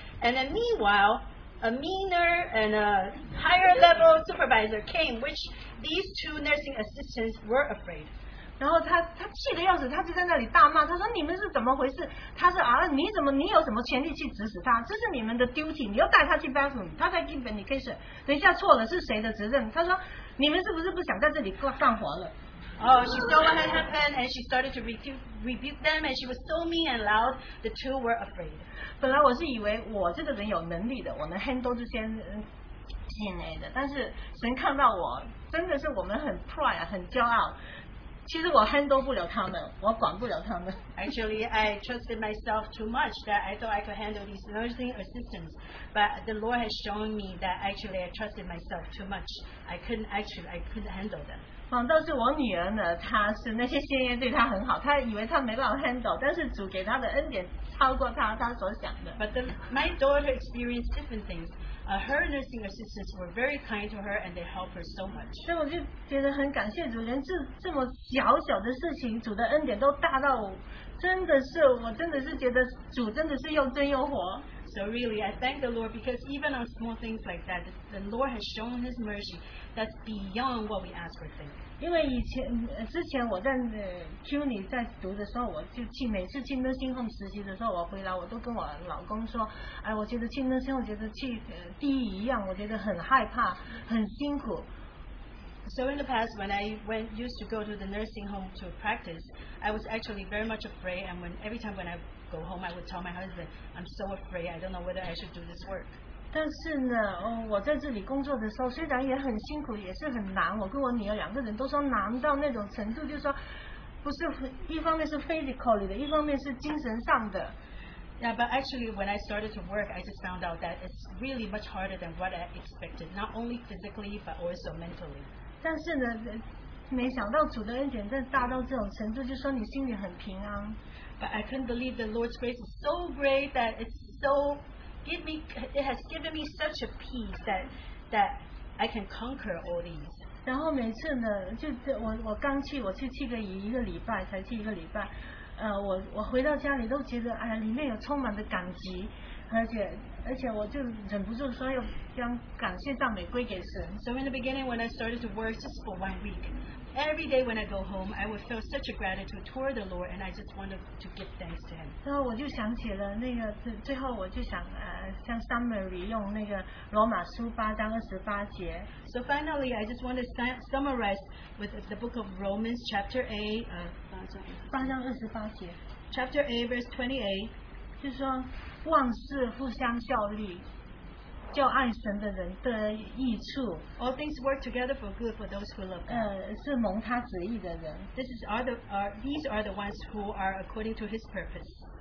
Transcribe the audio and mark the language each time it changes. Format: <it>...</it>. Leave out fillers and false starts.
<en>And then meanwhile, a meaner and a higher level supervisor came, which these two nursing assistants were afraid.</en> <zh>然后他气得要死，他就在那里大骂，他说你们是怎么回事？他说啊，你怎么你有什么权利去指使他？这是你们的 duty， 你要带他去 bathroom， 他在</zh> <en>give medication，</en> <zh>等一下错了是谁的责任？他说你们是不是不想在这里干活了？</zh> <en>Oh, she saw what had happened and she started to rebuke them and she was so mean and loud. The two were afraid.</en> <zh>本来我是以为我这个人有能力的，我能 handle 这些 DNA 的，但是神看到我真的是我们很 pride 很骄傲。其实我 handle 不了他们，我管不了他们。</zh> <en>Actually, I trusted myself too much that I thought I could handle these nursing assistants. But the Lord has shown me that actually I trusted myself too much. I couldn't handle them.</en> <zh>反倒是我女儿呢，她是那些先烟对她很好，她以为她没办法 handle， 但是主给她的恩典超过她所想的。</zh> <en>But my daughter experienced different things. Her nursing assistants were very kind to her and they helped her so much.</en> <zh>所以我就觉得很感谢主，连这么小小的事情，主的恩典都大到真的是，我真的是觉得主真的是又真又活。</zh> <en>So really, I thank the Lord because even on small things like that, the Lord has shown His mercy that's beyond what we ask or think.</en> <zh>因为以前之前我在CUNY 在读的时候，我就去每次去 nursing home 实习的时候，我回来我都跟我老公说，哎，我觉得去 nursing home 觉得去地狱一样，我觉得很害怕，很辛苦。</zh> <en>So in the past, when I used to go to the nursing home to practice, I was actually very much afraid. And every time when I go home, I would tell my husband, I'm so afraid. I don't know whether I should do this work.</en> <zh>但是呢，我在这里工作的时候，虽然也很辛苦，也是很难。我跟我女儿两个人都说难到那种程度，就是说，不是一方面是 physically 的，一方面是精神上的。</zh> <en>Yeah, but actually, when I started to work, I just found out that it's really much harder than what I expected, not only physically but also mentally.</en> <zh>但是呢，没想到主的恩典在大到这种程度，就说你心里很平安。</zh> <en>But I couldn't believe the Lord's grace is so great that it has given me such a peace that I can conquer all these.</en> <zh>然后每次呢，就我刚去，我去七个一个礼拜，才去一个礼拜。我回到家里都觉得哎呀，里面有充满的感激，而且我就忍不住说要将感谢赞美归给神。</zh> <en>So in the beginning when I started to work just for 1 week, every day when I go home, I would feel such a gratitude toward the Lord, and I just wanted to give thanks to Him.</en> <zh>然后我就想起了那个最后我就想像 summary 用那个罗马书八章二十八节。</zh> <en>So finally, I just want to summarize with the book of Romans chapter 8.</en> <zh>八章二十八节</zh> <en>，Chapter 8 verse 28，</en> <zh>就说万事互相效力，叫爱神的人得益处。</zh> <en>All things work together for good for those who love God.</en> <zh>是蒙他旨意的人。</zh> <en>These are the ones who are according to His purpose.</en>